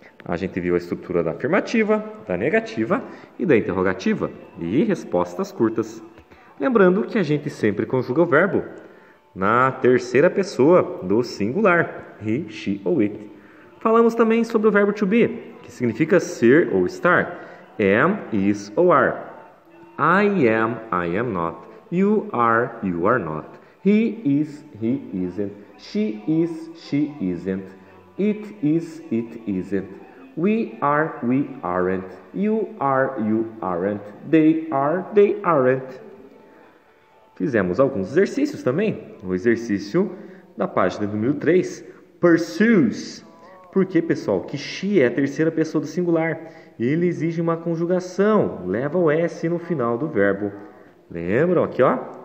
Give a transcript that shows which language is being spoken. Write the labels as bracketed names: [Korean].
[Portuguese] A gente viu a estrutura da afirmativa, da negativa e da interrogativa e respostas curtas. Lembrando que a gente sempre conjuga o verbo na terceira pessoa do singular, he, she ou it. Falamos também sobre o verbo to be, que significa ser ou estar, am, is ou are. [English] I am not, you are not, he isn't, she isn't, it isn't. We aren't, you aren't, they aren't. [Portuguese] Fizemos alguns exercícios também. O exercício da página número 3, pursues. Por que, pessoal? Que she é a terceira pessoa do singular. Ele exige uma conjugação, leva o S no final do verbo. Lembram aqui, ó?